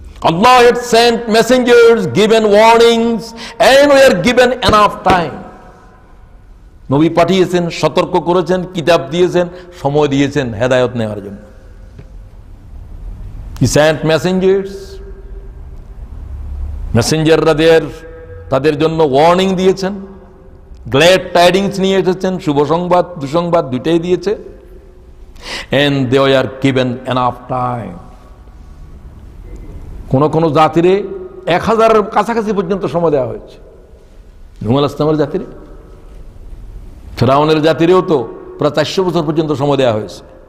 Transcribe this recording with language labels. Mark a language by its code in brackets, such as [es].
[en] Allah had sent messengers, given warnings and were given enough time, [bn] নবী পাঠিয়েছেন, সতর্ক করেছেন, কিতাব দিয়েছেন, সময় দিয়েছেন হেদায়ত নেওয়ার জন্য। [en] he sent messengers, [bn] মেসেঞ্জাররা তাদের জন্য ওয়ার্নিং দিয়েছেন, গ্ল্যাড টাইডিংস নিয়ে এসেছেন, শুভ সংবাদ দুঃসংবাদ দুইটাই দিয়েছে। [en] And they are given enough time. [bn] কোন কোন জাতিরে 1000 কাছাকাছি পর্যন্ত সময় দেওয়া হয়েছে। নূহ আলাইহিস সালামের জাতিরে, ফেরাউনের জাতিরেও তো প্রায় 400 বছর পর্যন্ত সময় দেওয়া হয়েছে।